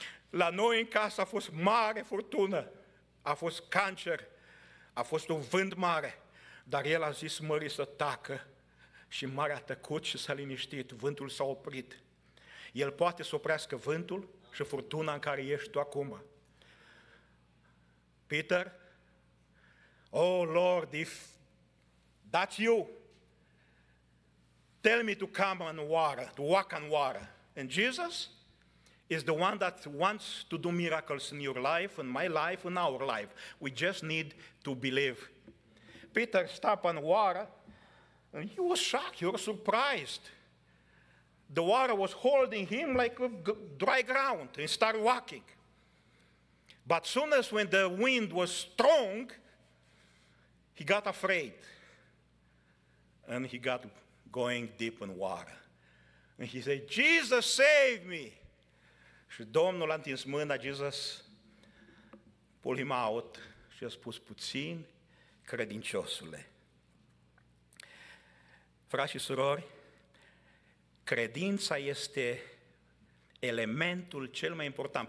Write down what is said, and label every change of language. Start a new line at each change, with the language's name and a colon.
Romanian: La noi în casă a fost mare furtună. A fost cancer. A fost un vânt mare. Dar el a zis mării să tacă și marea a tăcut și s-a liniștit, vântul s-a oprit. El poate să oprească vântul și furtuna în care ești tu acum.
English: Peter, oh Lord, if that's you, tell me to come and water, to walk on water. And Jesus is the one that wants to do miracles in your life, in my life, in our life. We just need to believe. Peter stopped on water, and he was shocked, he was surprised. The water was holding him like dry ground, and started walking. But soon as when the wind was strong, he got afraid, and he got going deep in water. And he said, Jesus, save me!
Romanian: Și Domnul a întins mâna,
English: Jesus pulled him out,
Romanian: și a spus, puțin, credinciosule. Frați și surori, credința este elementul cel mai important.